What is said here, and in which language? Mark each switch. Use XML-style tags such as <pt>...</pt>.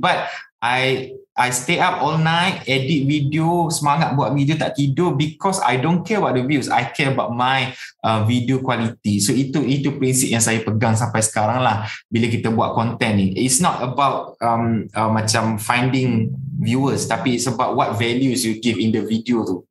<en>But I stay up all night, edit video,</en> <ms>semangat buat video, tak tidur,</ms> <en>because I don't care about the views, I care about my video quality.</en> <ms>So itu prinsip yang saya pegang sampai sekarang lah. Bila kita buat content ni,</ms> <en>it's not about macam finding viewers, tapi it's about what values you give in the video tu.</en>